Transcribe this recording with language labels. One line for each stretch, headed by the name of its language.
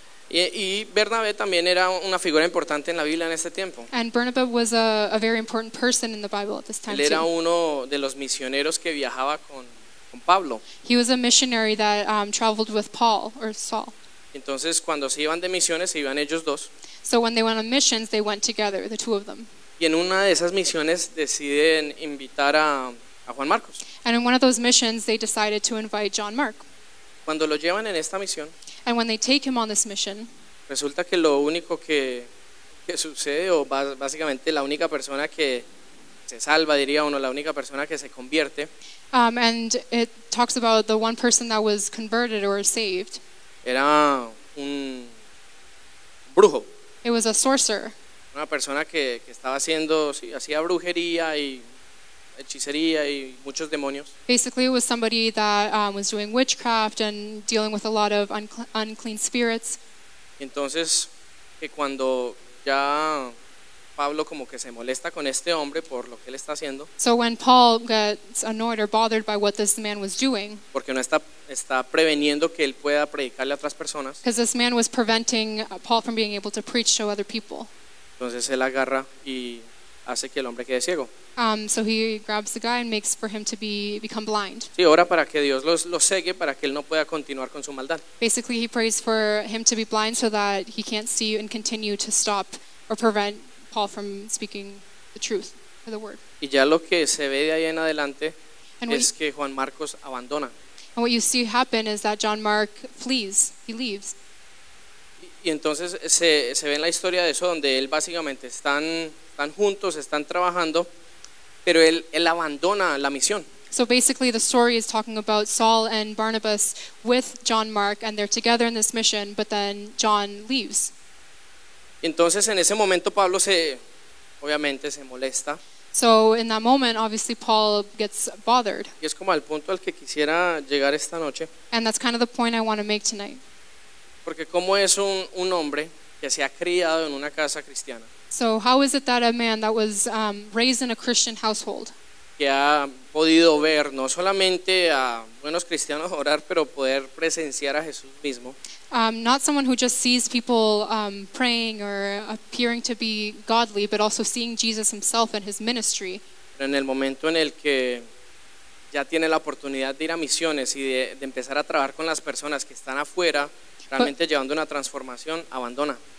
Spanish: Y Bernabé también era una figura importante en la Biblia en este tiempo.
English: And Bernabé was a very important person in the Bible at this time.
Spanish: Él era uno de los misioneros que viajaba con Pablo.
English: He was a missionary that traveled with Paul or Saul.
Spanish: Entonces cuando se iban de misiones, se iban ellos dos.
English: So when they went on missions, they went together, the two of them.
Spanish: Y en una de esas misiones deciden invitar a Juan Marcos.
English: And in one of those missions, they decided to invite John Mark.
Spanish: Cuando lo llevan en esta misión,
English: and when they take him on this mission,
Spanish: resulta que lo único que sucede, o básicamente la única persona que se salva, diría uno, la única persona que se convierte,
English: and it talks about the one person that was converted or saved,
Spanish: era un brujo.
English: It was a sorcerer.
Spanish: Una persona que estaba haciendo, sí, hacía brujería y hechicería y muchos demonios.
English: Basically, it was somebody that was doing witchcraft and dealing with a lot of unclean spirits.
Spanish: Entonces, que cuando ya Pablo como que se molesta con este hombre por lo que él está haciendo.
English: So when Paul gets annoyed or bothered by what this man was doing.
Spanish: Porque no está preveniendo que él pueda predicarle a otras personas.
English: Because this man was preventing Paul from being able to preach to other people.
Spanish: Entonces él agarra y hace que el hombre quede ciego.
English: So he grabs the guy and makes for him to become blind.
Spanish: Sí, ora para que Dios lo cegue para que él no pueda continuar con su maldad.
English: Basically, he prays for him to be blind so that he can't see and continue to stop or prevent Paul from speaking the truth or the word.
Spanish: Y ya lo que se ve de ahí en adelante es que Juan Marcos abandona.
English: And what you see happen is that John Mark flees. He leaves.
Spanish: Y entonces se ve en la historia de eso donde él básicamente están juntos, están trabajando, pero él abandona la misión.
English: So basically the story is talking about Saul and Barnabas with John Mark and they're together in this mission, but then John leaves.
Spanish: Entonces en ese momento Pablo obviamente se molesta.
English: So in that moment obviously Paul gets bothered.
Spanish: Y es como al punto al que quisiera llegar esta noche.
English: And that's kind of the point I want to make tonight.
Spanish: Porque como es un hombre que se ha criado en una casa cristiana.
English: So how is it that a man that was raised in a Christian household,
Spanish: que ha podido ver no solamente a buenos cristianos orar, pero poder presenciar a Jesús mismo.
English: Not someone who just sees people praying or appearing to be godly, but also seeing Jesus himself and his ministry.
Spanish: Pero en el momento en el que ya tiene la oportunidad de ir a misiones y de empezar a trabajar con las personas que están afuera, realmente llevando una transformación, abandona.